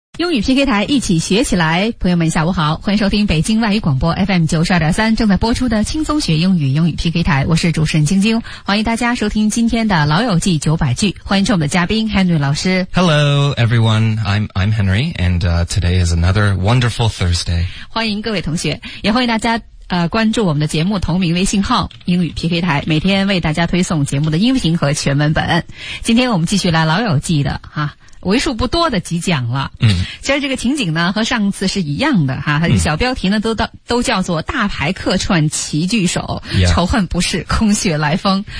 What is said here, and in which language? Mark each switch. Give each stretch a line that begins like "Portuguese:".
Chinese: 英语 PK 台一起学起来，朋友们下午好，欢迎收听北京外语广播 FM92.3 正在播出的轻松学英语英语 PK 台，我是主持人晶晶，欢迎大家收听今天的老友记900句，欢迎我们的嘉宾 Henry 老师。
English: Hello everyone, I'm Henry, and today is another wonderful Thursday.
Chinese: 欢迎各位同学，也欢迎大家关注我们的节目同名微信号英语 PK 台，每天为大家推送节目的音频和全文本。今天我们继续来老友记的哈。为数不多的几讲了，其实这个情景呢和上次是一样的哈，它的小标题呢都叫做大牌客串齐聚首，仇恨不是空穴来风。